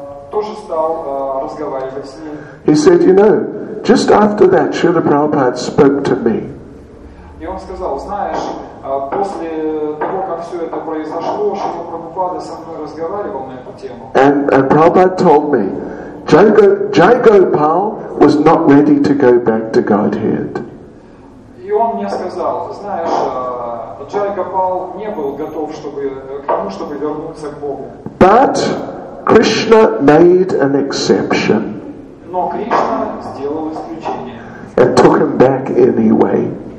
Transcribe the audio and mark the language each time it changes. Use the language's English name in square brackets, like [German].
[Russian] тоже стал разговаривать с ним. [English] He said, you know, just after that, Srila Prabhupada spoke to me. [Russian] И он сказал, знаешь, после того, как все это произошло, Шрила Прабхупада со мной разговаривал на эту тему. [English] And Prabhupada told me, Jai Gopal was not ready to go back to Godhead. [Russian] И он мне сказал, знаешь, Jai Gopal не был готов, чтобы вернуться к Богу. [English] But Krishna made an exception. [Russian] Но Кришна сделал исключение. [English] And took him back anyway.